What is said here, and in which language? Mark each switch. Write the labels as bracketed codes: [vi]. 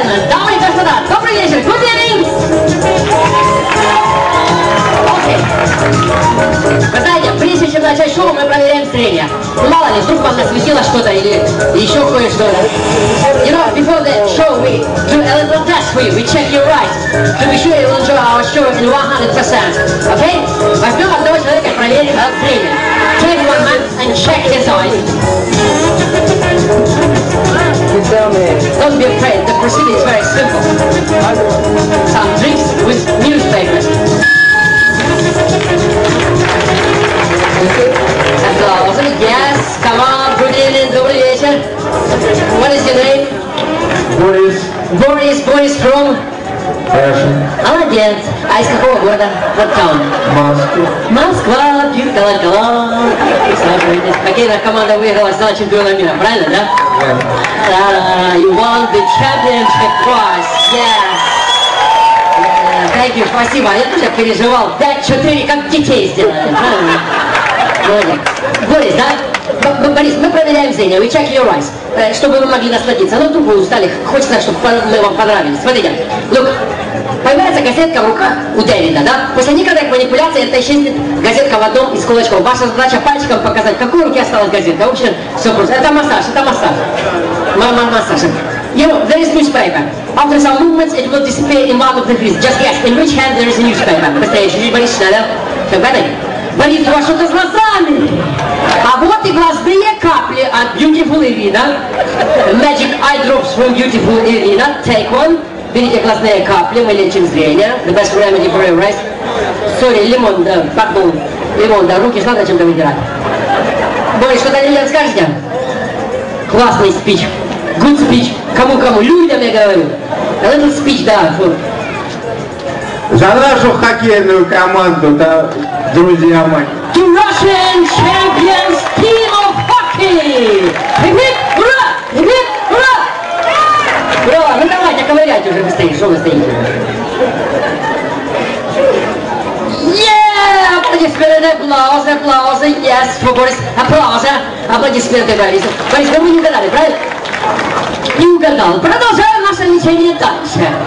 [ru] Дамы и господа, добрый вечер, [en] good evening! [ru] Вы знаете, прежде чем начать шоу, мы проверяем зрение. Ну, мало ли, вдруг вам насветило что-то или еще кое-что. [en] You know, before the show, we do a little test for you. We check your eyes to be sure you'll enjoy our show in 100%. Okay? [ru] Возьмем одного человека, проверим зрение. [en] Take one man and check his eyes. Don't be afraid, the procedure is very simple. Some drinks with newspapers. That's all, wasn't it? Yes, come on, good evening, [ru] добрый вечер. [en] What is your name? Boris. Boris, Boris from? Russia. [ru] Молодец. А из какого города? [en] What town? [ru] Москва. [en] Москва, beautiful, hello. [ru] Окей, наша команда выиграла, стала чемпионом мира, правильно, да? [en] You won the championship prize, yes. Thank you, [ru] спасибо. Я тоже переживал. 5-4, как детей сделали. Борис, да? Борис, мы проверяем зрение. We check your eyes. Чтобы вы могли насладиться. Ну, вдруг вы устали. Хочется, чтобы мы вам понравились. Смотрите. Look, появляется газетка в руках у Дэвида, да? После некоторых манипуляций это исчезнет газетка в одном из кулачков. Ваша задача пальчиком показать, какой у руки осталась газетка. В общем, все просто. Это массаж, это массаж. Массаж. [en] You know, there is newspaper. After some movements, it will disappear in one of the fist. Just guess, in which hand there is a newspaper? [ru] Настоящий, Борис Шнелев. Все, Беннек? Борис, у вас что-то с глазами! А вот и глазные капли от Beautiful Irina. [en] Magic eye drops from Beautiful Irina. Take one. [ru] Берите глазные капли, мы лечим зрение. [en] The best remedy for your eyes. [ru] Sorry, лимон, да, пардон. Лимон, да, руки же надо чем-то вытирать. Борис, что-то не скажете? Классный спич. [en] Good speech. [ru] Кому-кому? Людям я говорю. [en] A little speech, да. For... [ru] За нашу хоккейную команду, да, друзья мои. [en] The Russian Champions Team of Hockey! [ru] Хип-хип! Ура! Хип-хип! Ура! Ура! Ну давайте, ковыряйте уже быстрее. Что вы стоите? [en] Yeah! [ru] Аплодисменты, аплодисменты, аплодисменты. [en] Yes, for [ru] Boris. Аплодисменты. Аплодисменты, Борис. Борис, вы не угадали, правильно? Не угадал. Продолжаем наше лечение дальше.